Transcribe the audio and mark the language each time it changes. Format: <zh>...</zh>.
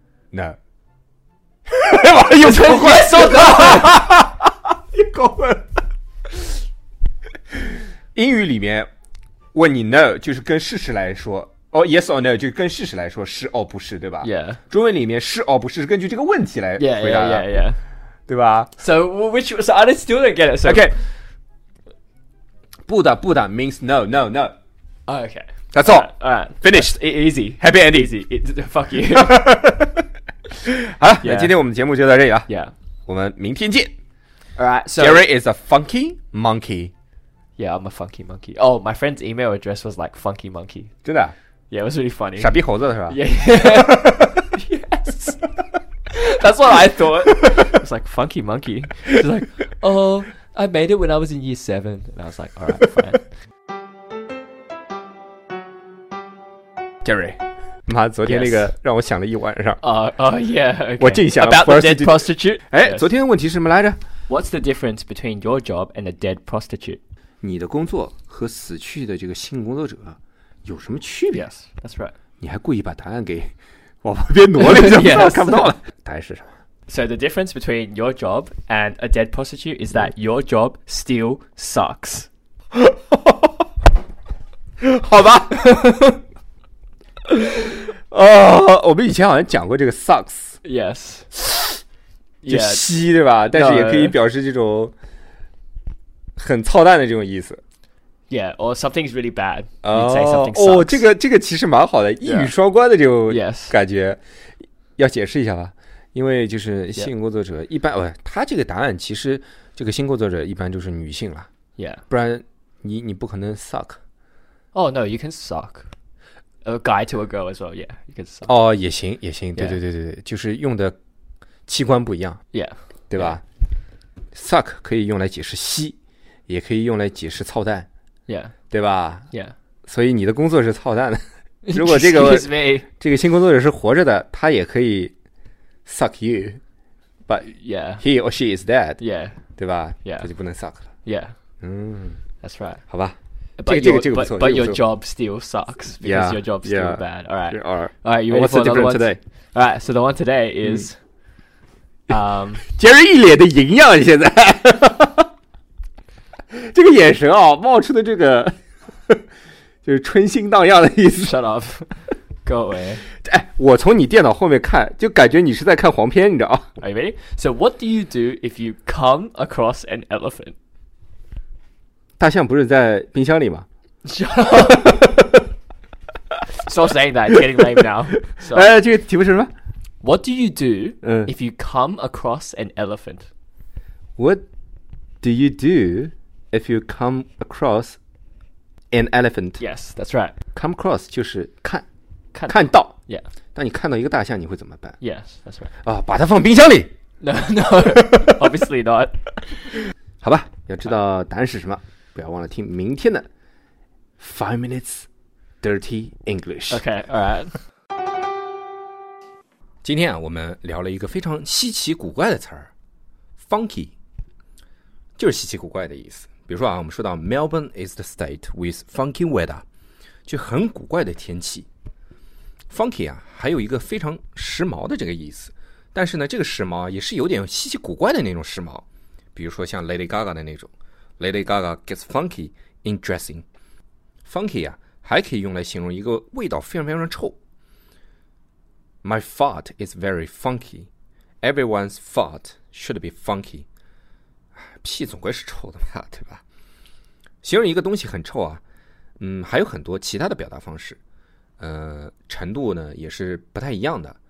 <zh>no 又搞混了又搞混了。英语里面问你 no 就是跟事实来说，哦、</zh> <en>yes or no</en> <zh>就跟事实来说是哦不是，对吧、</zh> <en>yeah.</en> <zh>中文里面是哦不是是根据这个问题来回答的、</zh> <en>yeah.</en> <zh>对吧。</zh> <en>So which so other student get it、so. OK</en> <zh>不打不打</zh> <en>means no no no、 oh, OK That's all, all right. Finished Easy Happy ending Easy it, Fuck you</en> <zh>好了、</zh> <en>yeah.</en> <zh>那今天我们节目就到这里了、</zh> <en>yeah.</en> <zh>我们明天见。</zh> <en>Alright、so. Gary is a funky monkey Yeah, I'm a funky monkey. Oh, my friend's email address was like funky monkey.</en> <zh>真的？</zh> <en>Yeah, it was really funny.</en> <zh>傻逼猴子是吧？</zh> <en>Yeah, yes. That's what I thought. It's like funky monkey. She's like, oh, I made it when I was in year 7. And I was like, alright, fine. Jerry.</en> <zh>妈，昨天那个让我想了一晚上。</zh> <en>Yeah, okay.</en> <zh>我竟想</zh> <en>About the dead prostitute.</en> <zh>哎、</zh> <en>yes.</en> <zh>，昨天的问题是什么来着？</zh> <en>What's the difference between your job and a dead prostitute?</en> <zh>你的工作和死去的这个性工作者有什么区别？</zh> <en>Yes, that's right.</en> <zh>你还故意把答案给往旁边挪了一下，</zh> <en>yes.</en> <zh>看不到了。答案是什么？</zh> <en>So the difference between your job and a dead prostitute is that your job still sucks.</en> <zh>好吧。我们以前好像讲过这个 sucks.</zh> <en>Yes.</en> <zh>就吸对吧？</zh> <en>Yeah.</en> <zh>但是也可以表示这种。很操蛋的这种意思</zh> <en>Yeah, or something is really bad. You'd say something sucks.</en> <zh>这个其实蛮好的，一语双关的这种感觉、</zh> <en>yeah.</en> <zh>要解释一下吧。因为就是性工作者一般、</zh> <en>yeah.</en> <zh>他这个答案其实这个性工作者一般就是女性了</zh> <en>Yeah.</en> <zh>不然 你不可能 suck.</zh> <en>Oh no, you can suck a guy to a girl as well. Yeah, you can suck.</en> <zh>也行也行，对对对对、</zh> <en>yeah.</en> <zh>就是用的器官不一样</zh> <en>Yeah.</en> <zh>对吧、</zh> <en>yeah.</en> <zh>suck 可以用来解释吸，也可以用来解释操蛋、</zh> <en>yeah.</en> <zh>对吧、</zh> <en>yeah.</en> <zh>所以你的工作是操蛋的。如果这个这个新工作者是活着的，他也可以</zh> <en>suck you but、 yeah. he or she is dead、 yeah.</en> <zh>对吧、</zh> <en>yeah.</en> <zh>他就不能 suck 了、</zh> <en>yeah. That's right</en> <zh>好吧、这个不错</zh> <en>but your job still sucks because yeah, your job's still bad alright yeah, alright, you ready for another one today? Alright, so the one today is、</en> <zh>Jerry 一脸的营养现在这个眼神啊，冒出的这个就是春心荡漾的意思。</zh> <en>Shut up, go away.</en> <zh>哎，我从你电脑后面看，就感觉你是在看黄片，你知道吗</zh> <en>？Are you ready? So what do you do if you come across an elephant?</en> <zh>大象不是在冰箱里吗</zh> <en>？Stop saying that. Getting lame now. So,</en> <zh>哎，这个题目是什么</zh> <en>？What do you do if you come across an elephant? What do you do? If you come across an elephant. Yes, that's right.</en> <zh>Come across 就是看。看到。</zh> <en>Yeah.</en> <zh>当你看到一个大象你会怎么办</zh> <en>?Yes, that's right.</en> <zh>啊、把它放冰箱里。</zh> <en>No, no, obviously not.</en> <zh>好吧，要知道答案是什么，不要忘了听明天的 5 Minutes Dirty English.</zh> <en>Okay, alright.</en> <zh>今天、我们聊了一个非常稀奇古怪的词儿 ,funky. 就是稀奇古怪的意思。比如说啊，我们说到</zh> <en>Melbourne is the state with funky weather，</en> <zh>就很古怪的天气。 Funky 啊，还有一个非常时髦的这个意思。但是呢，这个时髦也是有点稀奇古怪的那种时髦。比如说像 Lady Gaga 的那种 ，</zh> <en>Lady Gaga gets funky in dressing。</en> <zh>Funky 啊，还可以用来形容一个味道非常非常臭。</zh> <en>My fart is very funky. Everyone's fart should be funky.</en> <zh>屁总归是臭的嘛，对吧？形容一个东西很臭啊，还有很多其他的表达方式，程度呢也是不太一样的。</zh>